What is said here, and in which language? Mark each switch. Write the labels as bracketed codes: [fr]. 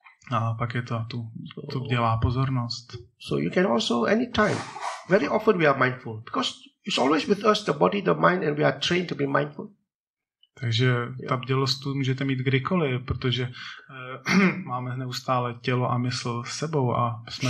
[cs] A pak je to tu dělá pozornost. [en] So you can also anytime, very often we are mindful because it's always with us the body, the mind, and we are trained to be mindful. [cs] Takže ta bdělost tu můžete mít kdykoliv, protože máme neustále tělo a mysl s sebou a jsme